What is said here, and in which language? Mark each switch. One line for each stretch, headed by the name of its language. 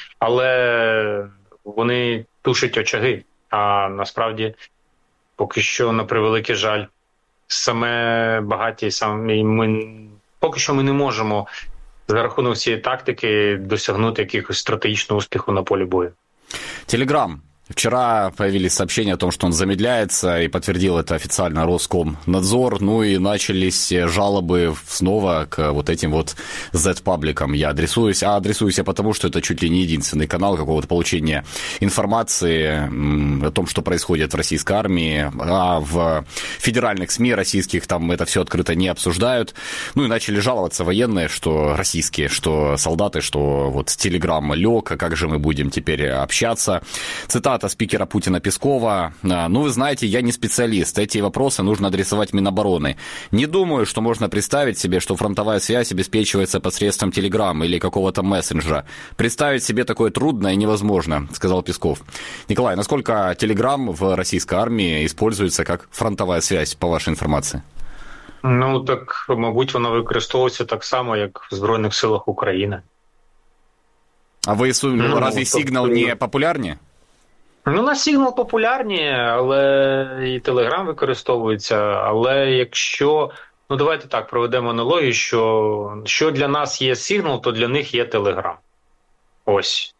Ukrainian: Але вони тушать очаги, а насправді поки що, на превеликий жаль, саме багаті, саме ми поки що ми не можемо за рахунок цієї тактики досягнути якихось стратегічного успіху на полі бою.
Russian: Телеграм. Вчера появились сообщения о том, что он замедляется, и подтвердил это официально Роскомнадзор. Ну и начались жалобы снова к вот этим вот Z-пабликам. Я адресуюсь. А адресуюсь я потому, что это чуть ли не единственный канал какого-то получения информации о том, что происходит в российской армии. А в федеральных СМИ российских там это все открыто не обсуждают. Ну и начали жаловаться военные, что российские, что солдаты, что вот Телеграм лег, а как же мы будем теперь общаться. Цитата. цитата спикера Путина Пескова. «Ну, вы знаете, я не специалист. Эти вопросы нужно адресовать Минобороны. Не думаю, что можно представить себе, что фронтовая связь обеспечивается посредством Телеграма или какого-то мессенджера. Представить себе такое трудно и невозможно», — сказал Песков. Николай, насколько Телеграм в российской армии используется как фронтовая связь, по вашей информации?
Ukrainian: Ну, так, мабуть, воно використовується так само, як в Збройних силах України. А ви, разве Сигнал не популярні? Ну, на Сигнал популярні, але і Телеграм використовується. Але якщо... Ну, давайте так, проведемо аналогію, що, що для нас є Сигнал, то для них є Телеграм. Ось.